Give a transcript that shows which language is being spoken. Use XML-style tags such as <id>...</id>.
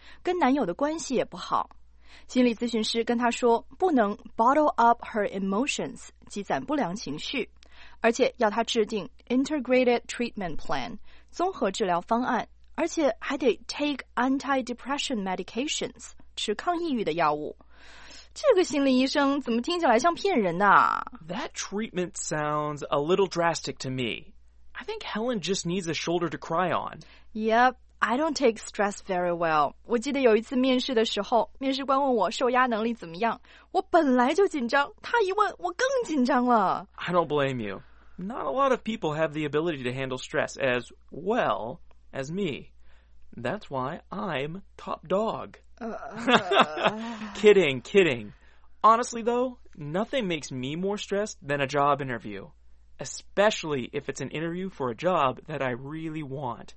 <zh>跟男友的关系也不好，心理咨询师跟他说不能</zh> <en>bottle up her emotions，</en> <zh>积攒不良情绪，而且要他制定</zh> <en>integrated treatment plan，</en> <zh>综合治疗方案，而且还得</zh> <en>take anti-depression medications，</en> <zh>吃抗抑郁的药物。这个心理医生怎么听起来像骗人的？</zh> <en>That treatment sounds a little drastic to me. I think Helen just needs a shoulder to cry on. Yep. I don't take stress very well.</en> <zh>我记得有一次面试的时候，面试官问我受压能力怎么样，我本来就紧张，他一问我更紧张了。</zh> <en>I don't blame you. Not a lot of people have the ability to handle stress as well as me. That's why I'm top dog. kidding. Honestly, though, nothing makes me more stressed than a job interview, especially if it's an interview for a job that I really want.</en>